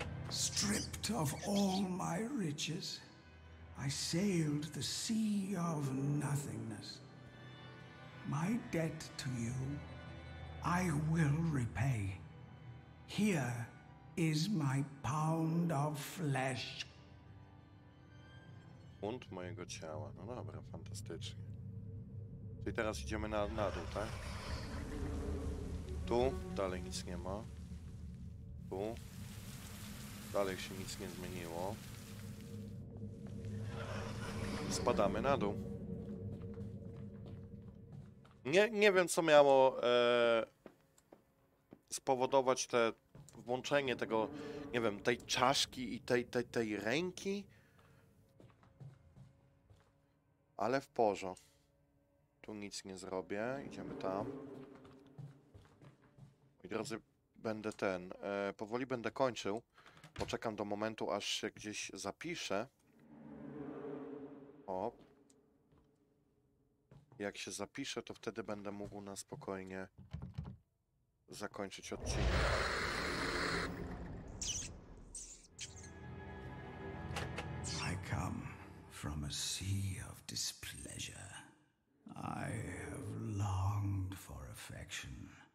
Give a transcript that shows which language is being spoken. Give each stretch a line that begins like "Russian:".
English: Stripped of all my riches, I sailed the sea of nothingness. My debt to you, I will repay. Here is my pound of flesh.
Polish: Punkt mojego ciała. No dobra, fantastycznie. Czyli teraz idziemy na dół, tak? Tu dalej nic nie ma. Tu dalej się nic nie zmieniło. Spadamy na dół. Nie wiem, co miało spowodować te włączenie tego, nie wiem, tej czaszki i tej ręki. Ale w porządku. Tu nic nie zrobię. Idziemy tam. Moi drodzy, będę ten. Powoli będę kończył. Poczekam do momentu, aż się gdzieś zapiszę. O. Jak się zapiszę, to wtedy będę mógł na spokojnie zakończyć odcinek.
English: I come from a sea of displeasure. I have longed for affection.